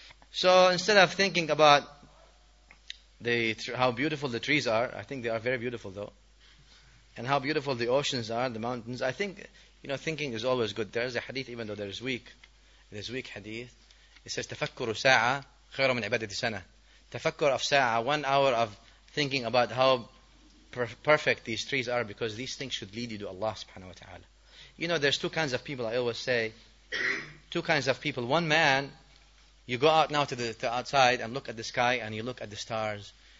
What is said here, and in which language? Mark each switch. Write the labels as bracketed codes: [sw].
[en] So instead of thinking about how beautiful the trees are, I think they are very beautiful though, and how beautiful the oceans are, the mountains, I think, you know, thinking is always good. There is a hadith, even though there is weak hadith. [ar] It says, تَفَكُّرُ سَاعَ خَيْرٌ مِنْ عِبَادَةِ سَنَةٍ. [en] تَفَكُّرْ of سَاعَ, 1 hour of thinking about how perfect these trees are, because these things should lead you to Allah subhanahu wa ta'ala. You know, there's two kinds of people, I always say. Two kinds of people. One man, you go out now to outside and look at the sky and you look at the stars.